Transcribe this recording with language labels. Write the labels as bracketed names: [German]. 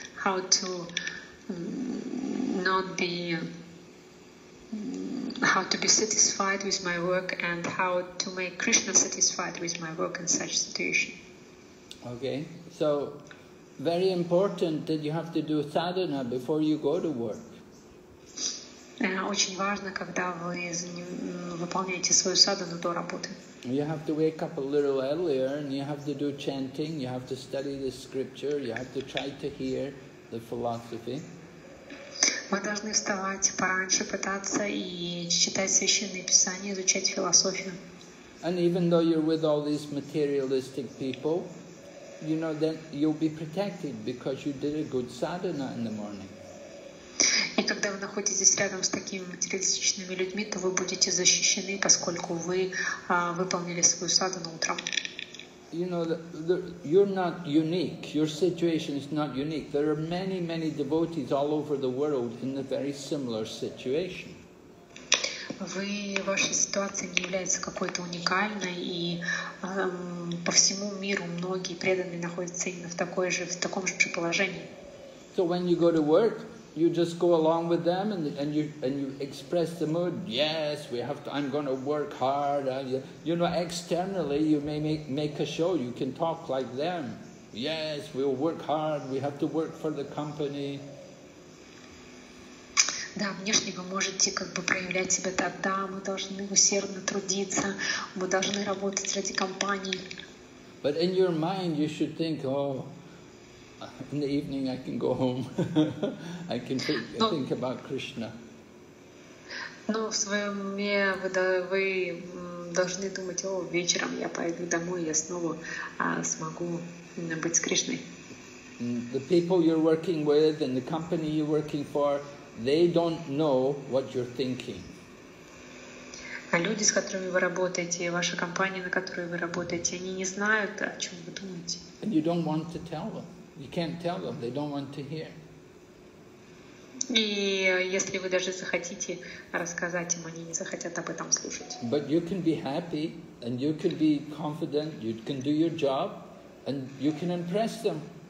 [English] How to not be? How to be satisfied with my work and how to make Krishna satisfied with my work in such situation. Okay, so very important that you have to do sadhana before you go to work. [Russian] Очень важно, когда вы выполняете свою садхану до работы. [English] You have to wake up a little earlier and you have to do chanting, you have to study the scripture, you have to try to hear the philosophy. [Russian] Мы должны вставать пораньше, пытаться и читать священные писания, изучать философию. [English] And even though you're with all these materialistic people, you know that you'll be protected because you did a good sadhana in the morning. [Russian] И когда вы находитесь рядом с такими материалистичными людьми, то вы будете защищены, поскольку вы выполнили свою садхану утром. [English] You know, you're not unique. Your situation is not unique. There are many, many devotees all over the world in a very similar situation. [Russian] Ваша ситуация не является какой-то уникальной, и по всему миру многие преданные находятся именно в таком же положении. [English] So when you go to work, you just go along with them and you express the mood, yes, I'm going to work hard. You know, externally you may make a show, you can talk like them. Yes, we'll work hard, we have to work for the company. [Russian] Да, внешне вы можете как бы проявлять себя так, да, мы должны усердно трудиться, мы должны работать ради компании. [English] But in your mind you should think, oh, in the evening I can go home, I can think about Krishna. [Russian] Но в своем уме вы должны думать, о, вечером я пойду домой, я снова смогу быть с Кришной. [English] The people you're working with and the company you're working for, they don't know what you're thinking. [Russian] А люди, с которыми вы работаете, ваша компания, на которой вы работаете, они не знают, о чем вы думаете. [English] And you don't want to tell them. You can't tell them, they don't want to hear. [Russian] И если вы даже захотите рассказать им, они не захотят об этом слушать. [English] But you can be happy and you can be confident, you can do your job and you can impress them.